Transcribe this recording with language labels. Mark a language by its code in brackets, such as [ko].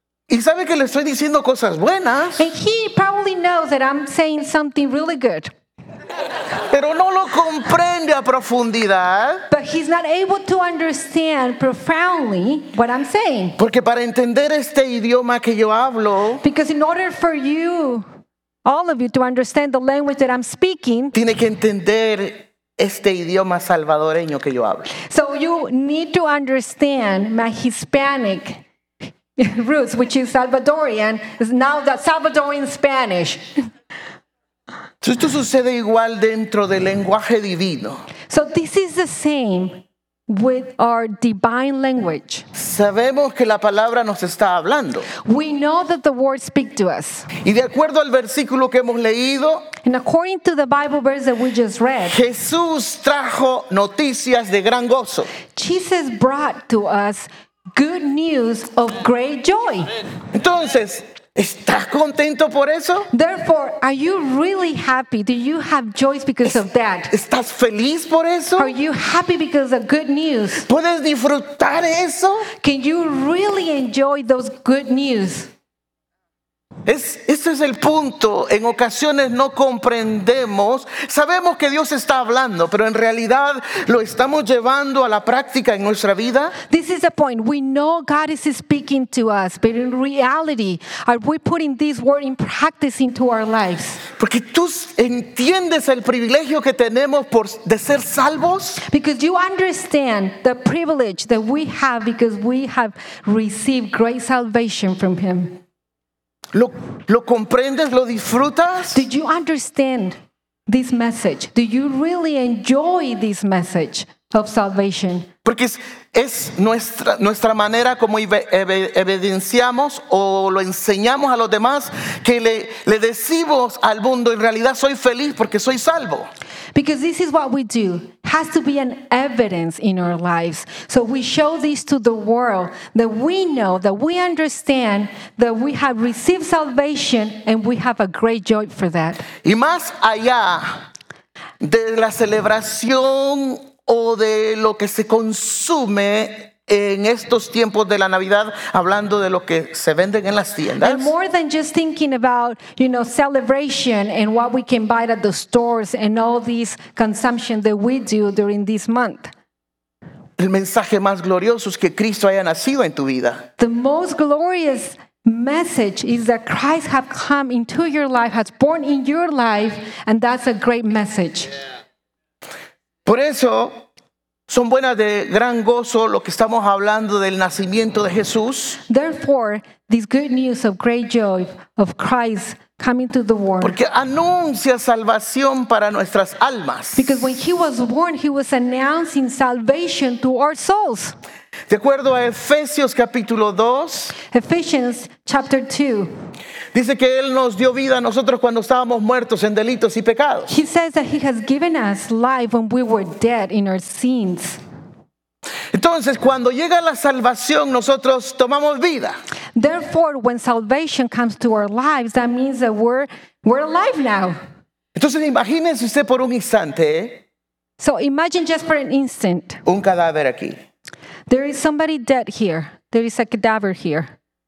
[es] Y sabe que le estoy diciendo cosas buenas. [en] And he probably knows that I'm saying something really good. [es] Pero no lo comprende a profundidad. [en] But he's not able to understand profoundly what I'm saying. [es] Porque para entender este idioma que yo hablo, [en] because in order for you, all of you, to understand the language that I'm speaking, [es] tiene que entender este idioma salvadoreño que yo hablo. [en] So you need to understand my Hispanic roots, which is Salvadorian, is now the Salvadorian Spanish. [es] Esto sucede igual dentro del lenguaje divino. [en] So this is the same with our divine language. [es] Sabemos que la palabra nos está hablando. [en] We know that the word speaks to us. [es] Y de acuerdo al versículo que hemos leído, [en] and according to the Bible verse that we just read, [es] Jesús trajo noticias de gran gozo. [en] Jesus brought to us good news of great joy. [es] Entonces, ¿estás contento por eso? [en] Therefore, are you really happy? Do you have joy because of that? [es] ¿Estás feliz por eso? [en] Are you happy because of good news? [es] ¿Puedes disfrutar eso? [en] Can you really enjoy those good news? [es] Ese es el punto. En ocasiones no comprendemos. Sabemos que Dios está hablando, pero en realidad lo estamos llevando a la práctica en nuestra vida. [en] This is the point. We know God is speaking to us, but in reality, are we putting this word in practice into our lives? [es] Porque tú entiendes el privilegio que tenemos por de ser salvos. [en] Because you understand the privilege that we have because we have received great salvation from Him. [es] ¿Lo comprendes? ¿Lo disfrutas? [en] Did you understand this message? Do you really enjoy this message of salvation? [es] Porque es nuestra manera como evidenciamos o lo enseñamos a los demás que le decimos al mundo, en realidad soy feliz porque soy salvo. [en] Because this is what we do. Has to be an evidence in our lives. So we show this to the world that we know, that we understand, that we have received salvation and we have a great joy for that. [es] Y más allá de la celebración o de lo que se consume en estos tiempos de la Navidad, hablando de lo que se venden en las tiendas. [en] And more than just thinking about, you know, celebration and what we can buy at the stores and all this consumption that we do during this month. [es] El mensaje más glorioso es que Cristo haya nacido en tu vida. [en] The most glorious message is that Christ has come into your life, has born in your life, and that's a great message. [es] Por eso, son buenas de gran gozo lo que estamos hablando del nacimiento de Jesús. [en] Therefore, this good news of great joy of Christ coming to the world. [es] Porque anuncia salvación para nuestras almas. [en] Because when he was born, he was announcing salvation to our souls. [es] De acuerdo a Efesios capítulo 2. [en] Ephesians chapter 2. [es] Dice que Él nos dio vida a nosotros cuando estábamos muertos en delitos y pecados. [en] He says that He has given us life when we were dead in our sins. [es] Entonces, cuando llega la salvación, nosotros tomamos vida. [en] Therefore, when salvation comes to our lives, that means that we're alive now. [es] Entonces, imagínense usted por un instante. [en] So imagine just for an instant. [es] Un cadáver aquí. [en] There is somebody dead here. There is a cadaver here.